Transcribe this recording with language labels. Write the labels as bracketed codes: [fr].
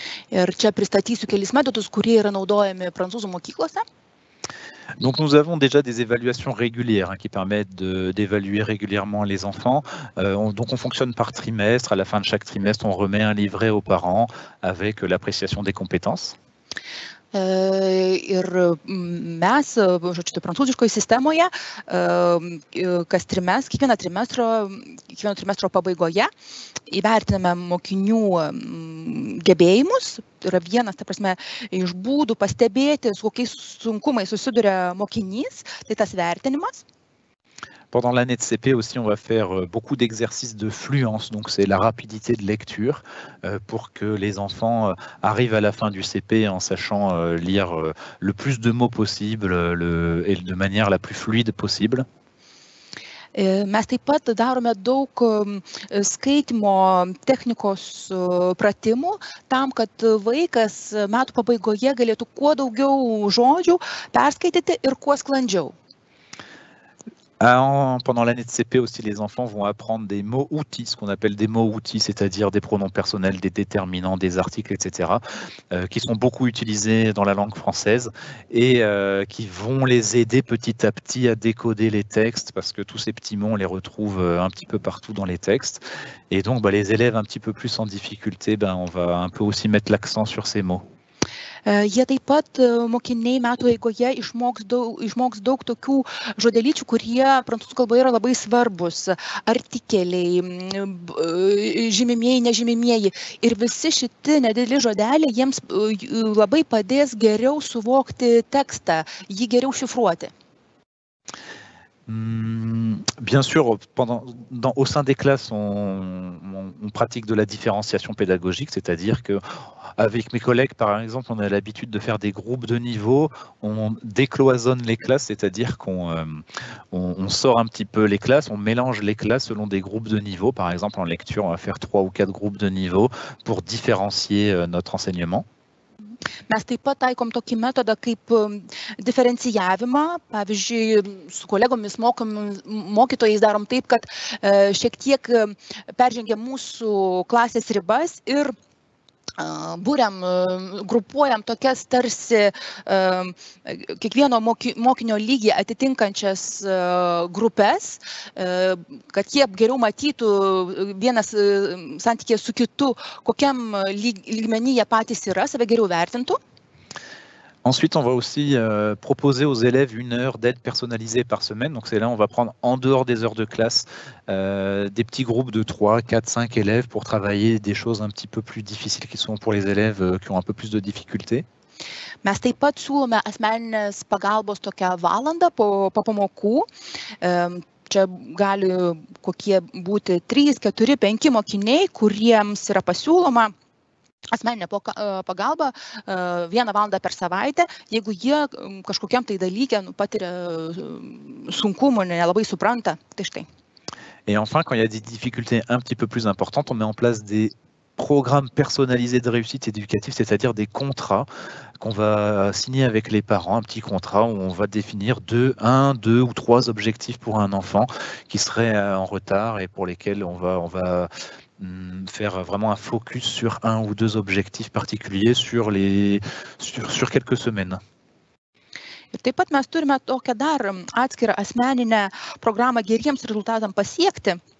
[lt] Ir čia pristatysiu kelis metodus, kurie yra naudojami prancūzų mokyklose. [fr] Donc nous avons déjà des évaluations régulières hein, qui permettent d'évaluer régulièrement les enfants. Donc on fonctionne par trimestre. À la fin de chaque trimestre, on remet un livret aux parents avec l'appréciation des compétences. [lt] Ir mes, žodžiu, prancūziškoje sistemoje, kas trimestre, kiekvieno trimestro pabaigoje, įvertiname mokinių gebėjimus. Yra vienas, ta prasme, iš būdų pastebėti, su kokiais sunkumais susiduria mokinys, tai tas vertinimas. [fr] Pendant l'année de CP aussi, on va faire beaucoup d'exercices de fluence, donc c'est la rapidité de lecture, pour que les enfants arrivent à la fin du CP en sachant lire le plus de mots possible et de manière la plus fluide possible. [lt] Mes taip pat darome daug skaitimo technikos pratimų tam, kad vaikas metų pabaigoje galėtų kuo daugiau žodžių perskaityti ir kuo sklandžiau. [fr] Pendant l'année de CP aussi, les enfants vont apprendre des mots-outils, ce qu'on appelle des mots-outils, c'est-à-dire des pronoms personnels, des déterminants, des articles, etc., qui sont beaucoup utilisés dans la langue française et qui vont les aider petit à petit à décoder les textes, parce que tous ces petits mots, on les retrouve un petit peu partout dans les textes. Et donc, bah, les élèves un petit peu plus en difficulté, bah, on va un peu aussi mettre l'accent sur ces mots. [lt] Jie taip pat mokiniai metų eigoje išmoks daug tokių žodelyčių, kurie prancūzų kalboje yra labai svarbus. Artikeliai, žymimieji, nežymimieji. Ir visi šiti nedideli žodeliai jiems labai padės geriau suvokti tekstą, jį geriau šifruoti. [fr] Bien sûr, au sein des classes, on pratique de la différenciation pédagogique, c'est-à-dire que avec mes collègues, par exemple, on a l'habitude de faire des groupes de niveau, on décloisonne les classes, c'est-à-dire qu'on sort un petit peu les classes, on mélange les classes selon des groupes de niveau. Par exemple, en lecture, on va faire 3 ou 4 groupes de niveau pour différencier notre enseignement. [lt] Mes taip pat taikom tokį metodą kaip diferencijavimą. Pavyzdžiui, su kolegomis mokytojais darom taip, kad šiek tiek peržengia mūsų klasės ribas ir būriam, grupuojam tokias tarsi kiekvieno mokinio lygį atitinkančias grupes, kad jie geriau matytų vienas santykį su kitu, kokiam lygmenį jie patys yra, save geriau vertintų. [fr] Ensuite, on va aussi proposer aux élèves 1 heure d'aide personnalisée par semaine. Donc c'est là, on va prendre en dehors des heures de classe des petits groupes de 3, 4, 5 élèves pour travailler des choses un petit peu plus difficiles qui sont pour les élèves qui ont un peu plus de difficultés. [lt] Mes taip pat siūlome asmeninės pagalbos tokią valandą po pamokų. Čia gali kokie būti 3, 4, 5 mokiniai, kuriems yra pasiūloma asmeninė pagalba 1 valandą per savaitę, jeigu jie kažkokiam tai dalyke patiria sunkumų, nelabai supranta, tai štai. [fr] Et enfin, quand il y a des difficultés un petit peu plus importantes, on met en place des programmes personnalisés de réussite éducative, c'est-à-dire des contrats qu'on va signer avec les parents, un petit contrat où on va définir 2, 1, 2 ou 3 objectifs pour un enfant qui serait en retard et pour lesquels on va faire vraiment un focus sur 1 ou 2 objectifs particuliers sur quelques semaines. [lt] Ir taip pat mes turime tokią dar atskirą asmeninę programą geriems rezultatams pasiekti.